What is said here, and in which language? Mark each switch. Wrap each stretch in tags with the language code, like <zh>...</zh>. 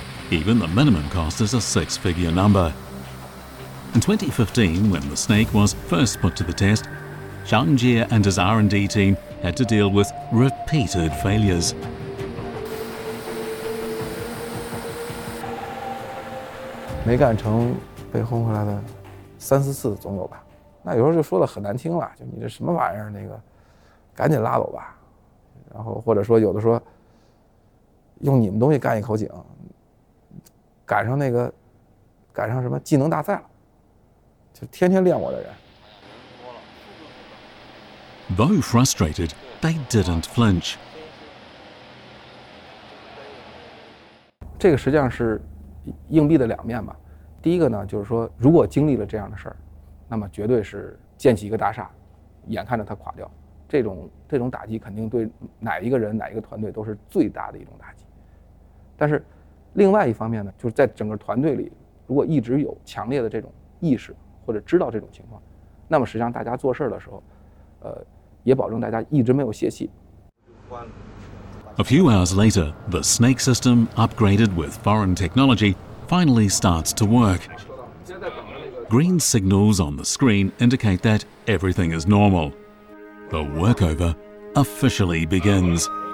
<en>Even the minimum cost is a six-figure number. In 2015, when the Snake was first put to the test, Shanjir and his R&D team had to deal with repeated failures.</en> <zh>没干成，被轰回来的三四次总有吧。那有时候就说的很难听了，就你这什么玩意儿，那个赶紧拉走吧。然后或者说有的说用你们东西干一口井，赶上那个赶上什么技能大赛了，就天天练我的人。</zh> <en>Though frustrated, they didn't flinch.</en> <zh>这个实际上是硬币的两面吧。第一个呢，就是说如果经历了这样的事儿，那么绝对是建起一个大厦，眼看着它垮掉，这种打击肯定对哪一个人哪一个团队都是最大的一种打击。但是另外一方面呢，就是在整个团队里如果一直有强烈的这种意识或者知道这种情况，那么实际上大家做事的时候也保证大家一直没有泄气。</zh> <en>A few hours later, the snake system upgraded with foreign technology finally starts to work. Green signals on the screen indicate that everything is normal. The workover officially begins.</en>